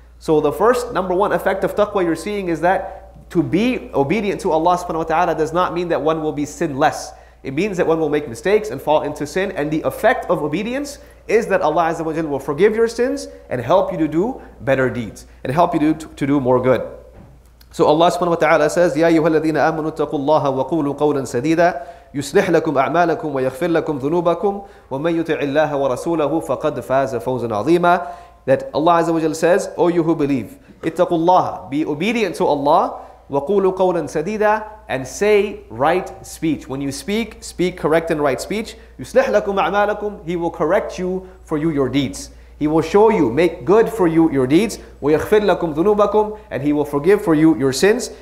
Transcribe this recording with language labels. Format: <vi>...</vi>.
<en>So the first number one effect of taqwa you're seeing is that to be obedient to Allah subhanahu wa ta'ala does not mean that one will be sinless. It means that one will make mistakes and fall into sin, and the effect of obedience is that Allah azza wa jalla will forgive your sins and help you to do better deeds and help you to do more good. So Allah subhanahu wa ta'ala says,</en> <ar>يَا أَيُّهَا الَّذِينَ آمَنُوا اتَّقُوا اللَّهَ وَقُولُوا قَوْلًا سَدِيدًا يُسْلِحْ لَكُمْ أَعْمَالَكُمْ وَيَغْفِرْ لَكُمْ ذُنُوبَكُمْ وَمَنْ يُتِعِ اللَّهَ وَرَسُولَهُ فَقَدْ فَازَ فَوْزًا عَظِيمًا.</ar> <en>That Allah Azza wa Jalla says, O you who believe,</en> <ar>اتَّقُوا اللَّهَ,</ar> <en>be obedient to Allah,</en> <ar>وَقُولُوا قَوْلًا سَدِيدًا,</ar> <en>and say right speech. When you speak correct and right speech.</en> <ar>يُسْلِحْ لَكُمْ أَعْمَالَكُمْ,</ar> <en>He will correct you for you your deeds. He will show you, make good for you your deeds.</en> <ar>وَيَغْفِرْ لَكُمْ ذُنُوبَكُمْ,</ar> <en>and He will forgive for you your sins.</en>